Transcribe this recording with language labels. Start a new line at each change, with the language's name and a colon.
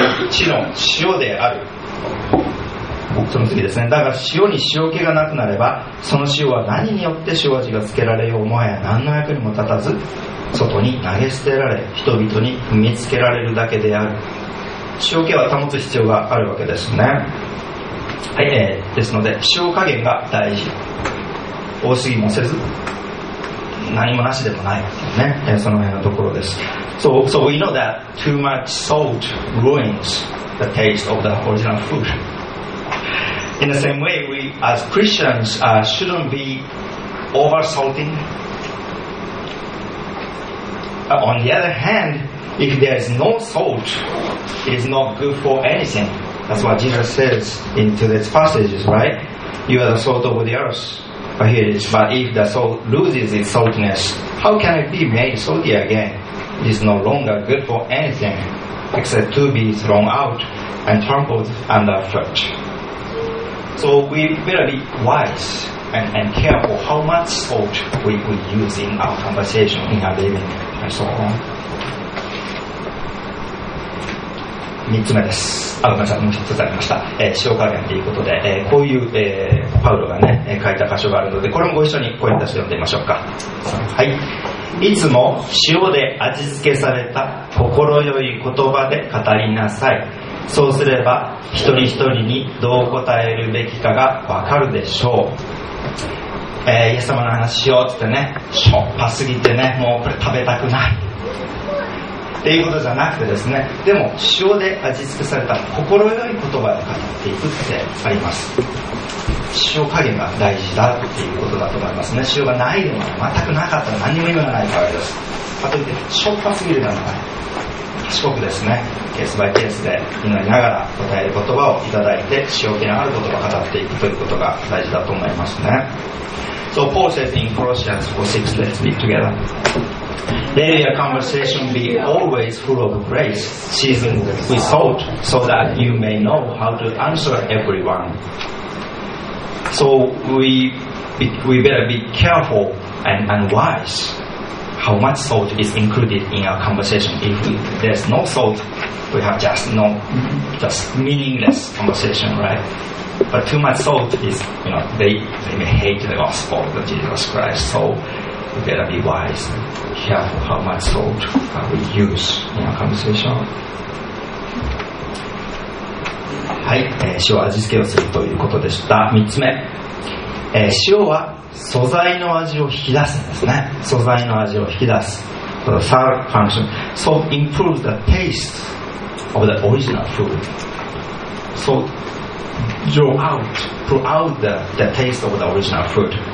Japanese: 地の塩である。その次ですね、だが塩に塩気がなくなればその塩は何によって塩味がつけられようもはや何の役にも立たず外に投げ捨てられ人々に踏みつけられるだけである。塩気は保つ必要があるわけですね、はい。ですので塩加減が大事、多すぎもせず何もなしでもないね、その辺のところです。
English: So we know that too much salt ruins the taste of the original food. In the same way, we as Christians shouldn't be over salting. On the other hand, if there is no salt, it is not good for anything. That's what Jesus says in today's passages, right? You are the salt of the earth. Here it is. But if the salt loses its saltiness, how can it be made salty again? It is no longer good for anything except to be thrown out and trampled underfoot. So we better be wise and careful how much salt we use in our conversation, in our living, and so on.
Japanese: 3つ目です。あ、ごめんなさい、もう一つありました。塩加減ということで、こういう、パウロがね書いた箇所があるので、これもご一緒にこういった人読んでみましょうか。はい。いつも塩で味付けされた心よい言葉で語りなさい。そうすれば一人一人にどう答えるべきかがわかるでしょう。イエス様の話しようってね、しょっぱすぎてね、もうこれ食べたくないっていうことじゃなくてですね、でも塩で味付けされた心よい言葉で語っていくってあります。塩加減が大事だっていうことだと思いますね。塩がないのは全くなかったら何も意味がないからです。かといってしょっぱすぎるならない、賢くですね、ケースバイケースで祈りながら答える言葉をいただいて、塩気のある言葉を語っていくということが大事だと思いますね。
English: So Paul says in Colossians 4:6, let's be together. Let your conversation be always full of grace, seasoned with salt, so that you may know how to answer everyone. So we better be careful and wise how much salt is included in our conversation. If there's no salt, we have just meaningless conversation, right? But too much salt is, you know, they may hate the gospel of Jesus Christ. So. We better be wise and careful how much salt we use in our conversation.
Japanese: はい、塩味付けをするということでした。 3つ目、塩は素材の味を引き出すんですね。素材の味を引き出す。
English: The salt function. Salt improves the taste of the original food. Salt draws out, pulls out the taste of the original food.